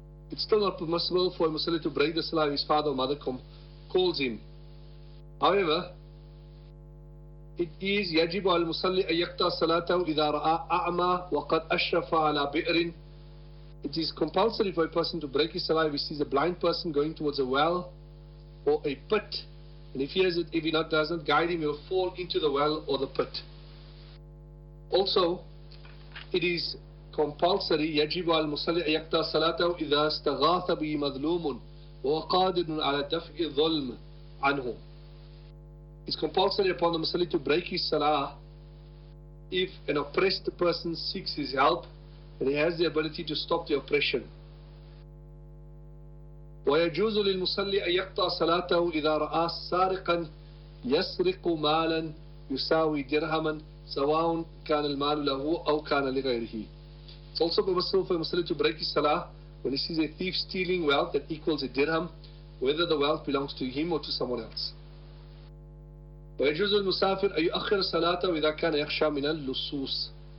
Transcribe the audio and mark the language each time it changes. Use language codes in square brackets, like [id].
[en] It's still not permissible for a musalli to break the salah if his father or mother calls him. However, it is [ar] يجب على المصلي أن يقطع صلاته إذا رأى أعمى وقد أشرف على بئر. [en] It is compulsory for a person to break his salah if he sees a blind person going towards a well or a pit. And if he has it, if he not, doesn't guide him, he will fall into the well or the pit. Also, it is compulsory [ar] يجب على المصلي أن يقطع صلاته إذا استغاث به مظلوم وقادر على دفع الظلم عنه. [en] It's compulsory upon the Muslim to break his salah if an oppressed person seeks his help and he has the ability to stop the oppression. [ar] ويجوز للمصلي أن يقطع صلاته إذا رأى سارقا يسرق مالا يساوي درهما سواء كان المال له أو كان لغيره. [en] It's also permissible for a Muslim to break his salah when he sees a thief stealing wealth that equals a dirham, whether the wealth belongs to him or to someone else. [ar] ويجوز المسافر أن يؤخر صلاته إذا كان يخشى من اللصوص.